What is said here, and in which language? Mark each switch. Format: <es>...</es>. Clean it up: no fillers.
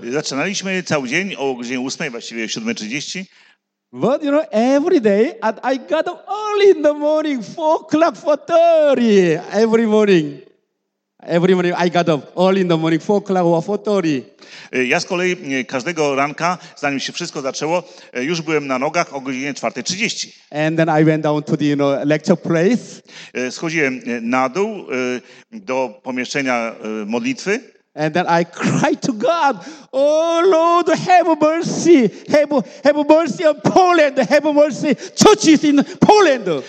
<pl>Zaczynaliśmy cały dzień o godzinie 8, właściwie 7:30.</pl> <en>But you know, every day I got up early in the morning, 4:30 every morning. Every morning I got up early in the morning, 4:00 or 4:30.</en> <pl>Ja z kolei każdego ranka, zanim się wszystko zaczęło, już byłem na nogach o godzinie 4:30.</pl> <en>And then I went down to the, you know, lecture place.</en> <pl>Schodziłem na dół do pomieszczenia modlitwy.</pl> <en>And then I cried to God, oh Lord, have mercy, have mercy on Poland, have mercy, churches in Poland.</en>